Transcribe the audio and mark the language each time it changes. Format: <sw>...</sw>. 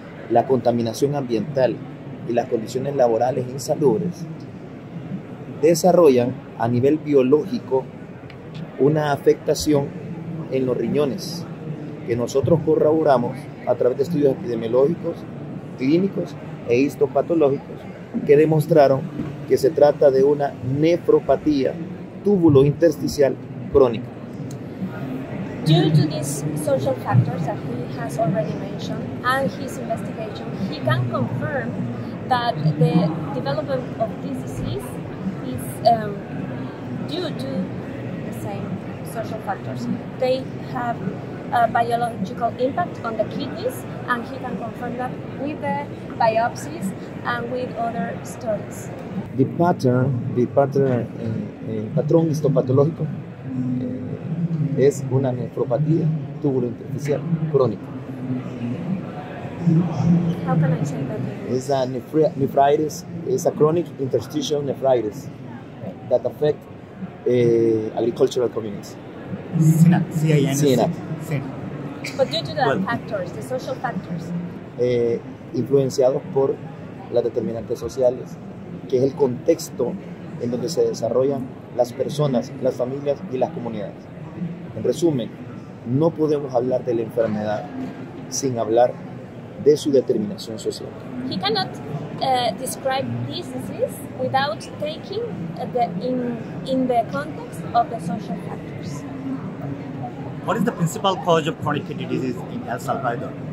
<es>la contaminación ambiental y las condiciones laborales insalubres, desarrollan a nivel biológico una afectación en los riñones, que nosotros corroboramos a través de estudios epidemiológicos, clínicos e histopatológicos, que demostraron que se trata de una nefropatía túbulo intersticial crónica.</es> <en>Due to these social factors that he has already mentioned and his investigation, he can confirm that the development of this disease is due to the same social factors. They have a biological impact on the kidneys, and he can confirm that with the biopsies and with other studies. The pattern</en> <es>histopatológico es una nefropatía túbulo intersticial crónica.</es> <en>How can I say that? It's a nephritis, it's a chronic interstitial nephritis that affect agricultural communities. CINAC. But due to the factors, the social factors.</en> <es>Influenciados por las determinantes sociales, que es el contexto en donde se desarrollan las personas, las familias y las comunidades. En resumen, no podemos hablar de la enfermedad sin hablar de su determinación social.</es> <en>He cannot describe this disease without taking the in the context of the social factors. What is the principal cause of chronic kidney disease in El Salvador?</en>